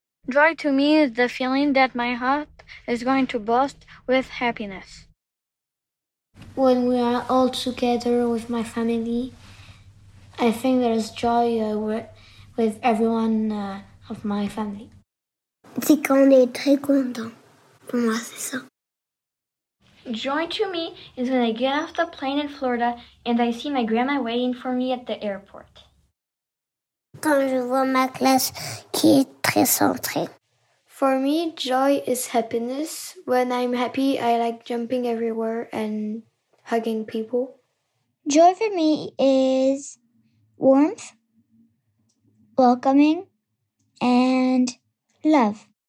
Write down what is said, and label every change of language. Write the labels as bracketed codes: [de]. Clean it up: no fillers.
[en] Joy to me is the feeling that my heart is going to burst with happiness. When we are all together with my family, I think there is joy with everyone of my family. [fr] C'est quand on est très content. Pour moi, c'est ça. [en] Joy to me is when I get off the plane in Florida and I see my grandma waiting for me at the airport. [fr] Quand je vois ma classe qui est très centrée. [en] For me, joy is happiness. When I'm happy, I like jumping everywhere and hugging people. Joy for me is warmth, welcoming, and love.